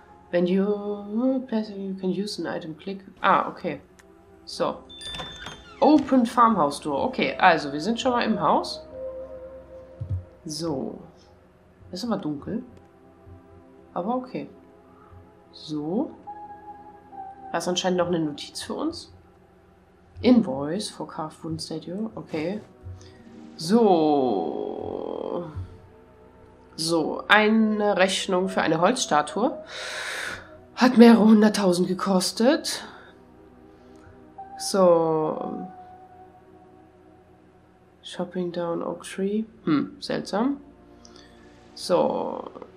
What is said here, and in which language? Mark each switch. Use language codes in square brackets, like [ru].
[en] When you place, you can use an item, click. Ah, okay. So. Open Farmhouse Door. [de] Okay, also wir sind schon mal im Haus. So. Ist aber dunkel. Aber okay. So. Da ist anscheinend noch eine Notiz für uns. [en] Invoice for Carved Wooden Studio. [de] Okay. So. So, eine Rechnung für eine Holzstatue. Hat mehrere hunderttausend gekostet. So. [en] Chopping down Oak Tree. [de] Hm, seltsam. [en] So.